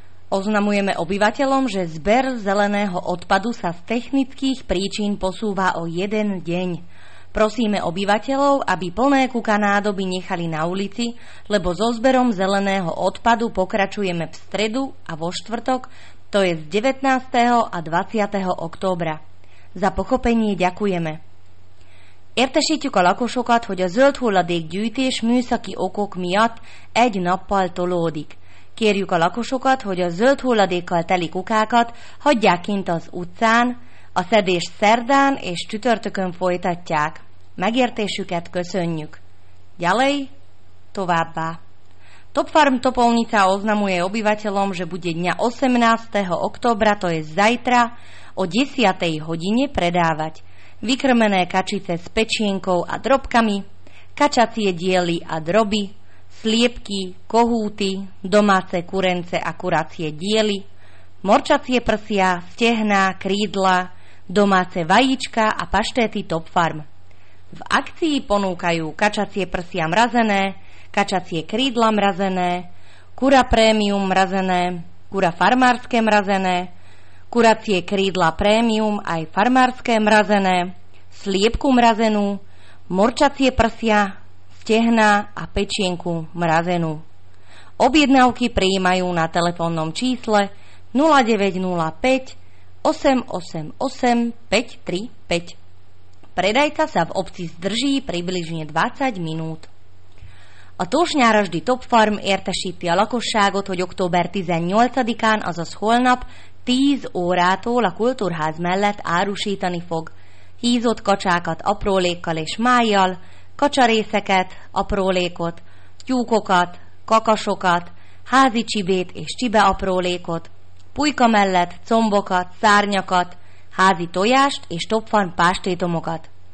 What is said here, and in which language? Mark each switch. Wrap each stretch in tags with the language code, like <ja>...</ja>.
<sk>Oznamujeme obyvateľom, že zber zeleného odpadu sa z technických príčin posúva o jeden deň. Prosíme obyvateľov, aby plné kukanádoby nechali na ulici, lebo so zberom zeleného odpadu pokračujeme v stredu a vo štvrtok, to je z 19. a 20. októbra. Za pochopenie ďakujeme.</sk> <hu>Értesítjük a lakosokat, hogy a zöld hulladékgyűjtés műszaki okok miatt egy nappal tolódik. Kérjük a lakosokat, hogy a zöld hulladékkal teli kukákat hagyják kint az utcán, a szedés szerdán és csütörtökön folytatják. Megértésüket köszönjük. Gyalej, továbbá.</hu> <sk>Topfarm Topolnica oznamuje obyvateľom, že bude dňa 18. októbra, to je zajtra, o 10. hodine predávať vykrmené kačice s pečienkou a drobkami, kačacie diely a droby, sliepky, kohúty, domáce kurence a kuracie diely, morčacie prsia, stehná, krídla, domáce vajíčka a paštéty Topfarm. V akcii ponúkajú kačacie prsia mrazené, kačacie krídla mrazené, kura prémium mrazené, kura farmárske mrazené, kuracie krídla prémium aj farmárske mrazené, sliepku mrazenú, morčacie prsia, stehná a pečienku mrazenú. Objednávky prijímajú na telefónnom čísle 0905 888 535. Predajca sa v obci zdrží približne 20 minút.</sk> <hu>A Tósnyárasdi Topfarm értesíti a lakosságot, hogy október 18-án, azaz holnap, 10 órától a kultúrház mellett árusítani fog hízott kacsákat aprólékkal és májjal, kacsarészeket, aprólékot, tyúkokat, kakasokat, házi csibét és csibe aprólékot, pulyka mellett combokat, szárnyakat, házi tojást és Topfarm pástétomokat.</hu>